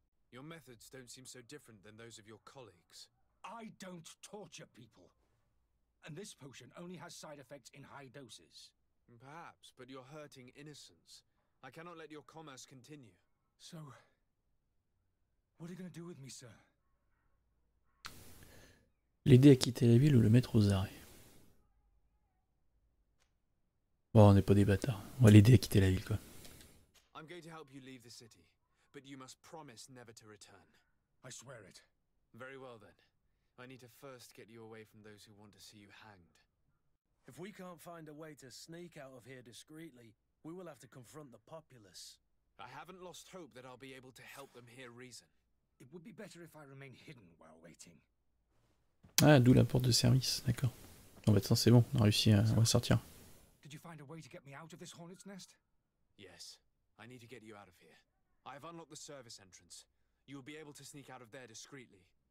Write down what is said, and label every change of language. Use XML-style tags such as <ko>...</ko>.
<en>Your methods don't seem so different than those of your colleagues. I don't torture people. And this potion only has side effects in high doses. Perhaps, but you're hurting innocence. I cannot let your commerce continue. So, what are you going to do with me, sir?</en> <fr>L'aider à quitter la ville ou le mettre aux arrêts. Bon, on n'est pas des bâtards. On va l'aider à quitter la ville, quoi.</fr> <en>I'm going to help you leave the city, but you must promise never to return. I swear it. Very well then. I need to first get you away from those who want to see you hanged. If we can't find a way to sneak out of here discreetly, we will have to confront the populace. I haven't lost hope that I'll be able to help them hear reason. It would be better if I remain hidden while waiting.</en> <fr>Ah, d'où la porte de service, d'accord. En fait, c'est bon, on a réussi à on va sortir.</fr> <en>Did you find a way to get me out of this hornet's nest? Yes, I need to get you out of here. I have unlocked the service entrance. You will be able to sneak out of there discreetly.</en>